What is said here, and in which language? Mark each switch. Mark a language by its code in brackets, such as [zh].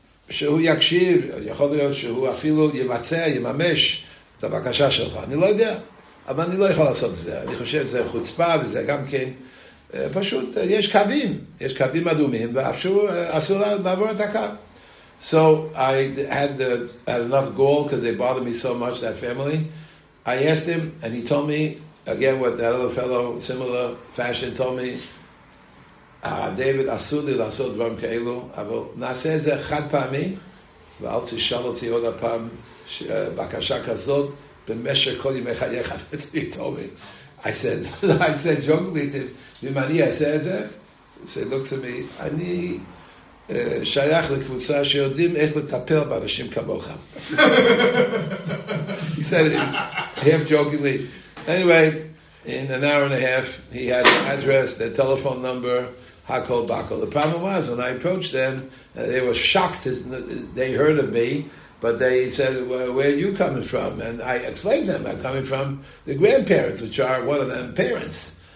[he] שהוא יקשיב, יכול להיות שהוא אפילו יבצע, יממש את הבקשה שלך. אני לא יודע, אבל אני לא יכול לעשות את זה. אני חושב שזה חוצפה, וזה גם כן פשוט יש קווים, יש קווים אדומים, ואפשר אסור לעבור את הקו. [en] So I had, had enough gall because they bothered me so much, that family. I asked him, and he told me, [he] again, what that other fellow, similar fashion, told me, David, אסור לי לעשות דברים כאלו, אבל נעשה את זה חד פעמי, ואל תשאל אותי עוד הפעם בקשה כזאת, במשך כל ימי חייך, [en] he told me. I said, jokingly, [he] אם אני אעשה את זה, [en] so he looks at me, [he] אני... שייך לקבוצה שיודעים איך לטפל באנשים כמוך. [en] He said, half jokingly. Anyway, in an hour and a half, he had an address, their telephone number, [he] hakol bakol. [en] The problem was, when I approached them, they were shocked. They heard of me, but they said, well, where are you coming from? And I explained to them, I'm coming from the grandparents, which are one of them parents.